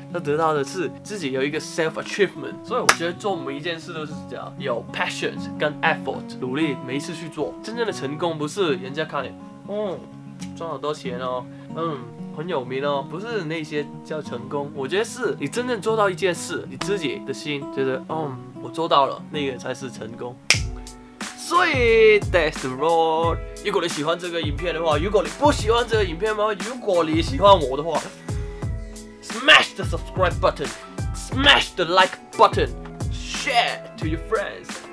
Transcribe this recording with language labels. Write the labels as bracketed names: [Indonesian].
[Chinese] 他得到的是自己有一个 self achievement。所以我觉得做每一件事都是这样，有 passion 跟 effort， 努力每一次去做。真正的成功不是人家看你，嗯，赚好多钱哦，嗯，很有名哦，不是那些叫成功。我觉得是你真正做到一件事，你自己的心觉得，嗯，我做到了，那个才是成功。 [English] 所以 that's the road。 [Chinese] 如果你喜欢这个影片的话，如果你不喜欢这个影片吗，如果你喜欢我的话， smash the subscribe button， smash the like button， share to your friends。